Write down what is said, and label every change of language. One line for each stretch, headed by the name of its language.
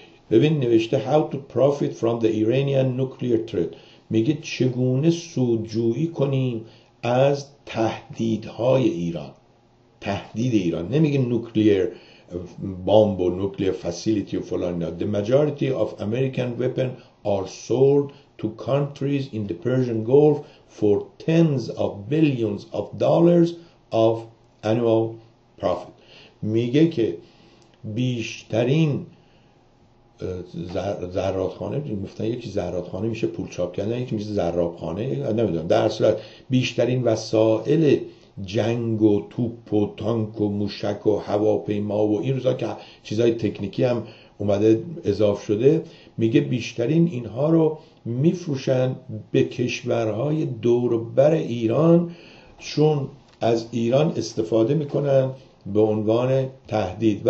Persian: ببین نوشته
English: How to profit from the Iranian nuclear threat،
Persian: میگه چگونه سودجویی کنیم از تهدیدهای ایران، تهدید ایران، نمیگه نوکلیر بامب و نوکلیر فسیلیتی و فلان.
English: The majority of American weapons are sold to countries in the Persian Gulf for tens of billions of dollars of annual profit.
Persian: میگه که بیشترین زرادخانه، گفتن یکی زرادخانه میشه پول چاپ کردن، یکی میشه زرادخانه، نمیدونم، در صورت بیشترین وسائل جنگ و توپ و تانک و موشک و هواپیما و این روزا که چیزای تکنیکی هم اومده اضافه شده، میگه بیشترین اینها رو میفروشن به کشورهای دور و بر ایران، چون از ایران استفاده میکنن به عنوان تهدید.